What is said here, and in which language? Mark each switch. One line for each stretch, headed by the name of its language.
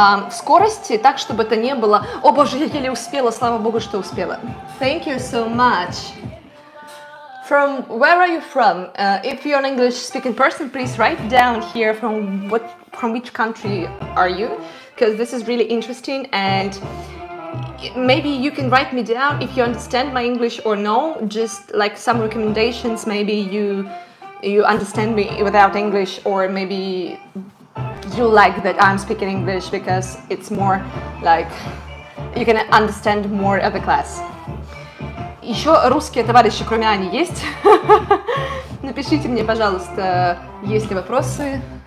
Russian: скорости, так, чтобы это не было... О, боже, я еле успела, слава богу, что успела.
English: Thank you so much. From where are you from? If you're an English-speaking person, please write down here from what, from which country are you, because this is really interesting, and maybe you can write me down if you understand my English or no, just like some recommendations, maybe you understand me without English, or maybe you like that I'm speaking English because it's more like you can understand more of the class.
Russian: Еще русские товарищи, кроме Ани, есть? Напишите мне, пожалуйста, есть ли вопросы.